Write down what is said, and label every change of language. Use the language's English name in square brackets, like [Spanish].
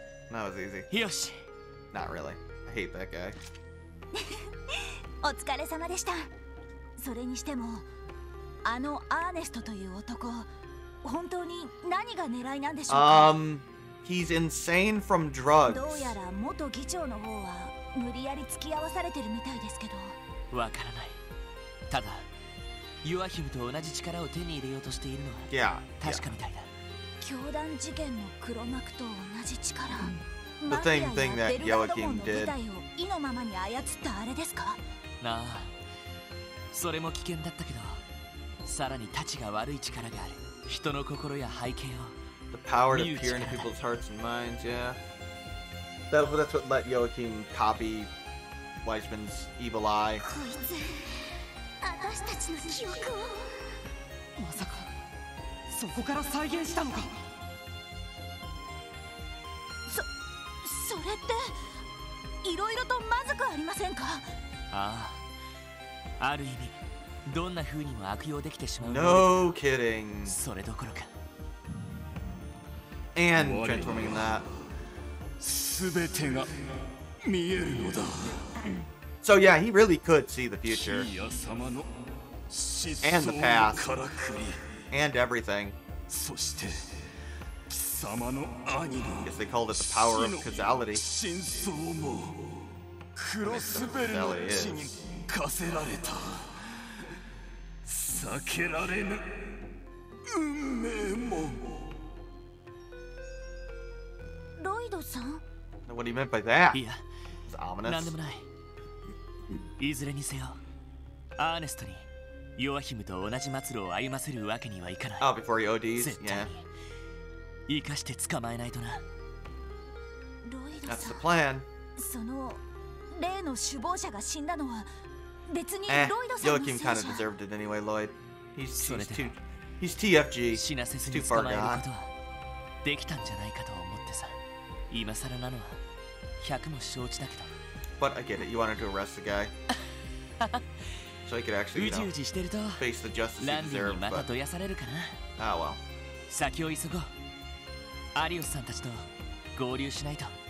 [English] That was easy. Not really. I hate that guy. [Japanese] お疲れ様でした。それにしてもあのアーネストという男、本当に何が狙いなんでしょうか。 [English] He's insane from drugs. [Japanese] どうやら元議長の方は無理やり付き合わされてるみたいですけど。わからない。ただユアヒムと同じ力を手に入れようとしているのは確かみたいだ。教団事件の黒幕と同じ力。 [English] The same thing that Joachim did. [Japanese] のままに操ったあれですか。なあ、それも危険だったけど、さらに立ちが悪い力がある。人の心や背景を。 [English] The power to peer into people's hearts and minds. Yeah. That's what let Joachim copy Weissman's evil eye. [Japanese] こいつ、私たちの記憶を。まさか、そこから再現したのか。それって、いろいろとまずくありませんか。ああ、ある意味、どんな風にも悪用できてしまう。 [English] No kidding. [Japanese] それどころか。 [English] And transforming that. [Japanese] すべてが見えるのだ。 [English] So yeah, he really could see the future. [Japanese] キーヤ様の思想のからくり。 [English] And everything. [Japanese] そして、様の兄の。 [English] Yes, they called it the power of causality. [Japanese] 真相もクロスベルの地に課せられた。避けられぬ運命も。ロイドさん。 [English] What do you mean by that? [Japanese] いや、なんでもない。いずれにせよ、アーネストにヨアヒムと同じ末路を歩ませるわけにはいかない。 [English] Oh, before he ODs? [Japanese] 絶対に。生かして捕まえないとな。ロイドさん。 [English] That's the plan. [Japanese] その例の首謀者が死んだのは別にロイドさんのせいじゃ。 [English] Joachim kind of deserved it anyway, Lloyd. He's TFG. [Japanese] 死なせずに捕まえることはできたんじゃないかと思ってさ。今更なのは百も承知だけど。 [English] But I get it. You wanted to arrest the guy. So he could actually, you know, face the justice he deserved. [Japanese] ランディにまたどやされるかな。 [English] Ah, well. [Japanese] 先を急ごう。アリオスさんたちと合流しないと。